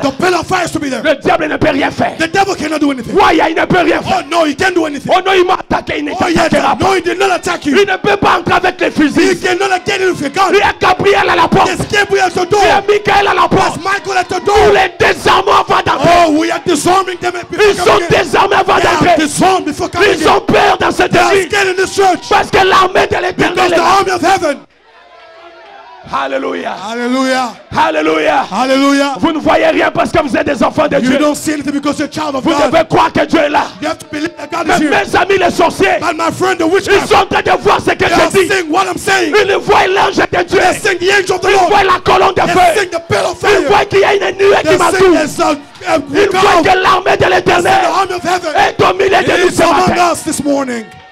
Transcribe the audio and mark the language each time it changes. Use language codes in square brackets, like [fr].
[en] The pillar of fire has to be there. [fr] Le diable ne peut rien faire. [en] The devil cannot do anything. Why? [fr] Il ne peut rien faire. [en] Oh no, he can't do anything. [fr] Oh non, il m'a attaqué, il n'est [en] pas. Oh yes, no, he did not attack you. [fr] Il ne peut pas entrer avec les fusils. [en] He cannot get in with your gun. [fr] Il y a Gabriel à la porte. [en] There's Gabriel at the door. [fr] Il y a Michael à la porte. [en] There's Michael at the door. [fr] Il est désarmé avant d'entrer. [en] Oh, we are disarming them before [fr] ils sont désarmés avant d'entrer. [en] Disarmed before coming. [fr] Ils ont peur dans cette église. [en] They're scared in this church. [fr] Parce que de l'armée de l'Éternel. [en] Because the army of heaven. [fr] Hallelujah. [en] Hallelujah. [fr] Hallelujah. [en] Hallelujah. [fr] Vous ne voyez rien parce que vous êtes des enfants de [en] you [fr] Dieu. [en] You don't see anything because you're a child of [fr] vous [en] God. [fr] Vous devez croire que Dieu est là. [en] You have to believe that God is here. [fr] Mes amis les sorciers. [en] But my friend the witchcraft. [fr] Ils sont en train de voir ce que [en] they [fr] je dis. [en] They are what I'm saying. [fr] Ils voient l'ange de Dieu. [en] They are seeing the angel of the [fr] ils [en] Lord. [fr] Ils voient la colonne de [en] they [fr] feu. [en] They are seeing the pillar of fire. [fr] Ils voient qu'il y a une nuée qui m'entoure. [en] They are seeing the angel. [fr] Ils voient que l'armée de l'Éternel est au milieu de nous ce matin. [en] It is among us this morning.